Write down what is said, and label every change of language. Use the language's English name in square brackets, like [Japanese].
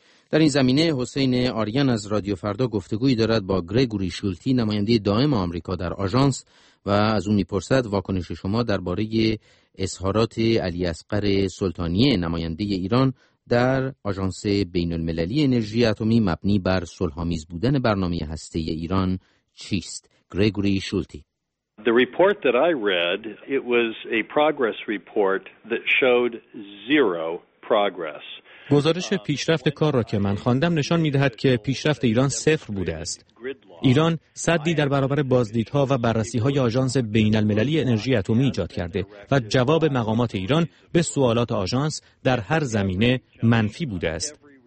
[Persian] در این زمینه حسین آریان از رادیو فردا گفتگویی دارد با گریگوری شولتی، نماینده دائم آمریکا در آژانس، و از او میپرسد واکنش شما درباره اظهارات علی اصغر سلطانیه، نماینده ایران در آژانس بین المللی انرژی اتمی، مبنی بر صلح‌آمیز بودن برنامه هسته‌ای ایران چیست؟ گریگوری شولتی: [English] The report that I read, it was a progress report that showed zero progress. [Persian] گزارش پیشرفت کار را که من خواندم نشان می‌دهد که پیشرفت ایران صفر بوده است. ایران صدی در برابر بازدیدها و بررسی‌های آژانس بین‌المللی انرژی اتمی ایجاد کرده و جواب مقامات ایران به سوالات آژانس در هر زمینه منفی بوده است.